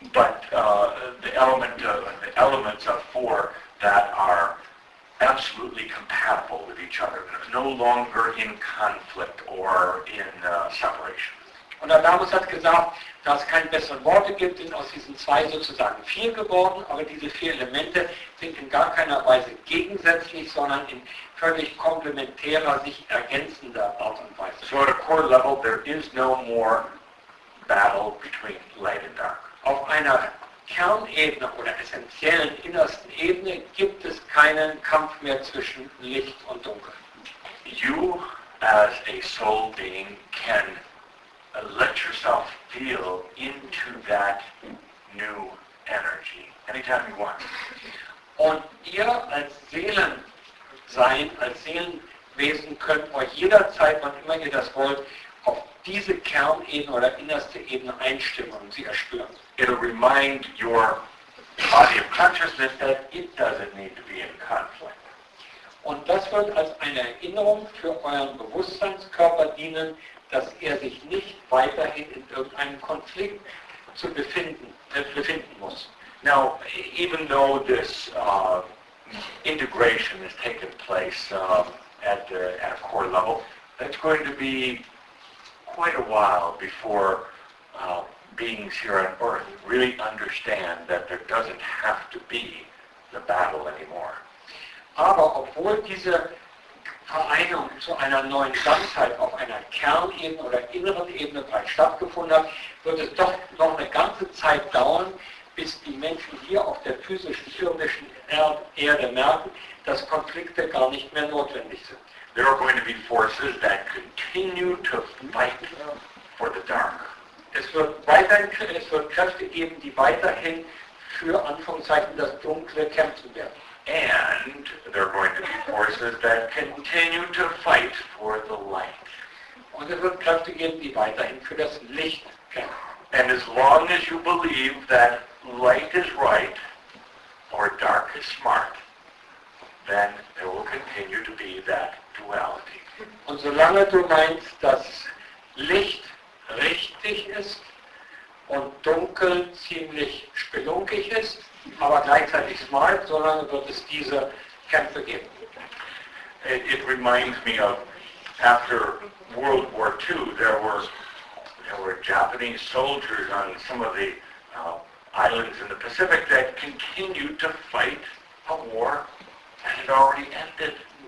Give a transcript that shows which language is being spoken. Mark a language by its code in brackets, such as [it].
[en] But the elements of four that are absolutely compatible with each other, no longer in conflict or in separation. [de] Und Adamus hat gesagt, da es keine besseren Worte gibt, sind aus diesen zwei sozusagen vier geworden, aber diese vier Elemente sind in gar keiner Weise gegensätzlich, sondern in völlig komplementärer, sich ergänzender Art und Weise. [en] So at a core level, there is no more battle between light and dark. [de] Auf einer Kernebene oder essentiellen, innersten Ebene gibt es keine keinen Kampf mehr zwischen Licht und Dunkel. [en] You as a soul being can let yourself feel into that new energy anytime you want. [de] Und ihr als Seelensein, als Seelenwesen könnt euch jederzeit, wann immer ihr das wollt, auf diese Kernebene oder innerste Ebene einstimmen und sie erspüren. [en] It'll remind your body of consciousness that it doesn't need to be in conflict. [de] Und das wird als eine Erinnerung für euren Bewusstseinskörper dienen, dass er sich nicht weiterhin in irgendeinem Konflikt zu befinden muss. [en] Now, even though this integration has taken place at a core level, that's going to be quite a while before beings here on Earth really understand that there doesn't have to be the battle anymore. [de] Aber obwohl diese Vereinigung zu einer neuen Ganzheit auf einer Kernebene oder inneren Ebene bereits stattgefunden hat, wird es doch noch eine ganze Zeit dauern, bis die Menschen hier auf der physischen, physischen Erde merken, dass Konflikte gar nicht mehr notwendig sind. [en] There are going to be forces that continue to fight for the dark. [de] Es wird Kräfte geben, die weiterhin für Anführungszeichen das Dunkle kämpfen werden. [en] And there are going to be forces that continue to fight for the light. [de] Und es wird Kräfte geben, die weiterhin für das Licht kämpfen. [en] And as long as you believe that light is right or dark is smart, then there will continue to be that duality. [de] Und solange du meinst, dass Licht richtig ist und Dunkel ziemlich spelunkig ist, aber gleichzeitig smart, solange wird es diese Kämpfe geben. [en] It reminds me of after World War II, there were Japanese soldiers on some of the islands in the Pacific that continued to fight a war that had already ended.